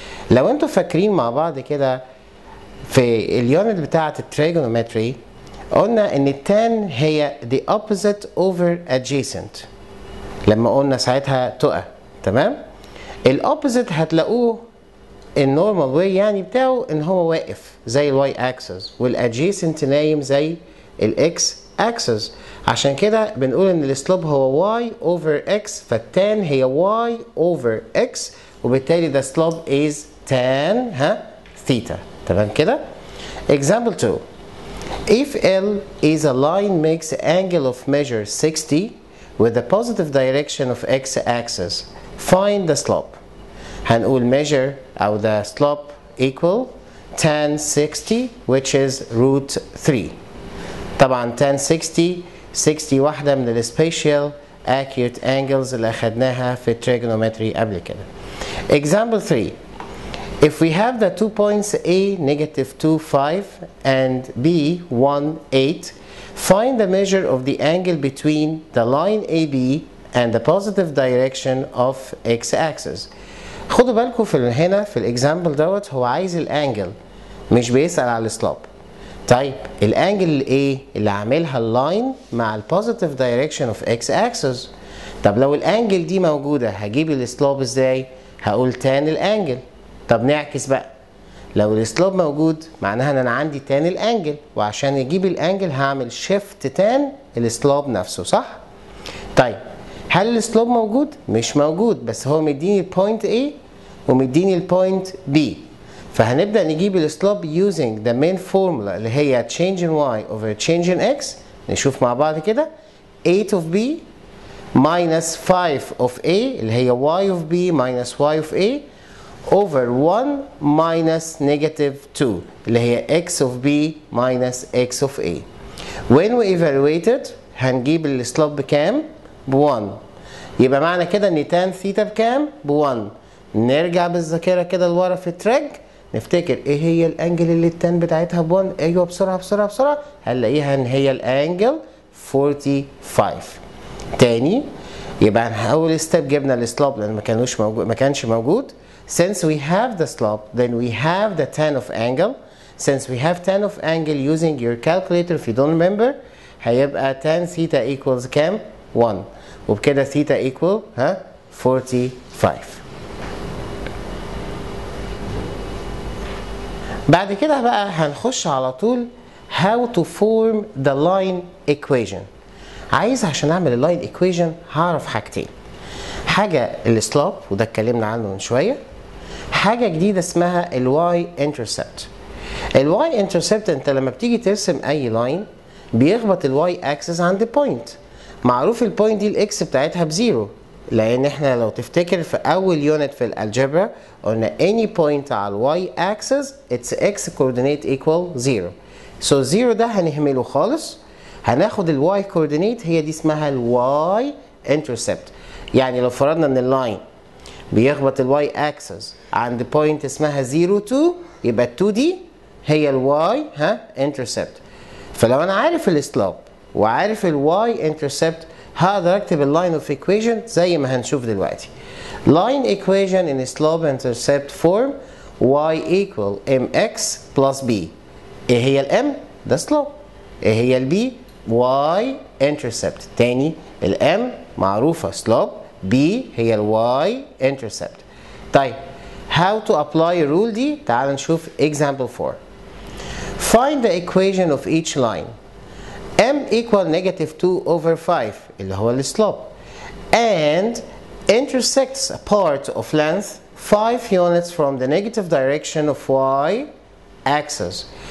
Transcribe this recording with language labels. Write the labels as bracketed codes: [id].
[ar] لو انتوا فاكرين مع بعض كده في اليونت بتاعه التريجونومتري قلنا ان التان هي [en] the opposite over adjacent، [ar] لما قلنا ساعتها تقى، تمام؟ الاوبوزيت هتلاقوه النورمال واي يعني بتاعه ان هو واقف زي الواي اكسس، والادجيسنت نايم زي الاكس اكسس. عشان كده بنقول ان السلوب هو [en] y over x، فالتان هي y over x، وبالتالي the slope is tan theta. [ar] تمام كده. [en] example 2 if l is a line makes angle of measure 60 with the positive direction of x axis find the slope. هنقول measure او the slope equal tan 60 which is root 3. [ar] طبعا tan 60 60 واحدة من الـ [en] spatial accurate angles [ar] اللي أخدناها في trigonometry قبل كده. [en] example 3 if we have the two points A negative 2 5 and B 1 8 find the measure of the angle between the line AB and the positive direction of x axis. [ar] خدوا بالكم في هنا في الـ example دوت هو عايز الـ angle مش بيسأل على الـ slope. طيب الانجل الـ A اللي عاملها اللاين مع الـ [en] positive direction of x axis، [ar] طب لو الانجل دي موجودة هجيب الـ slope ازاي؟ هقول tan الانجل. طب نعكس بقى، لو الـ slope موجود معناها ان انا عندي tan الانجل، وعشان اجيب الانجل هعمل shift tan الـ slope نفسه، صح؟ طيب هل الـ slope موجود؟ مش موجود، بس هو مديني الـ point A ومديني الـ point B، فهنبدا نجيب السلوب [en] using the main formula [ar] اللي هي [en] change in y over change in x. [ar] نشوف مع بعض كده [en] 8 of b minus 5 of a اللي هي y of b minus y of a over 1 minus negative 2 اللي هي x of b minus x of a. When we evaluate it [ar] هنجيب السلوب بكام؟ ب 1. يبقى معنى كده ان tan ثيتا بكام؟ ب 1. نرجع بالذاكره كده لورا في التراك نفتكر ايه هي الانجل اللي التان بتاعتها ب 1. ايوه بسرعه بسرعه بسرعه هنلاقيها ان هي الانجل 45. تاني يبقى هنحاول ستيب جبنا السلوب لان ما كانش موجود. [en] Since we have the slope, then we have the tan of angle. Since we have tan of angle using your calculator, if you don't remember, هيبقى tan theta equals كام؟ 1. وبكده theta equal 45. [ar] بعد كده بقى هنخش على طول [en] how to form the line equation. [ar] عايز عشان اعمل line equation هعرف حاجتين. حاجة ال slope وده اتكلمنا عنه من شوية. حاجة جديدة اسمها ال y-intercept. ال y-intercept انت لما بتيجي ترسم اي line بيخبط ال y-axis عند point. معروف ال point دي ال x بتاعتها بزيرو. لان احنا لو تفتكر في اول unit في الالجبرا قلنا [en] any point على ال y-axis its x coordinate equal zero. [ar] So zero ده هنهمله خالص. هناخد ال y-coordinate هي دي اسمها ال y-intercept. يعني لو فرضنا ان ال line بيخبط ال y axis عند point اسمها 0,2 يبقى 2D هي ال y intercept. فلو انا عارف ال slope وعارف ال y intercept هقدر اكتب ال line of equation زي ما هنشوف دلوقتي. [en] line equation in slope intercept form y equal mx plus b. [ar] ايه هي ال m؟ ده slope. ايه هي ال b؟ y intercept. تاني ال m معروفه slope. B هي ال y intercept. طيب [en] how to apply rule [ar] دي تعال نشوف example 4. [en] Find the equation of each line. M equal negative 2 over 5 اللي هو ال slope and intersects a part of length 5 units from the negative direction of y axis.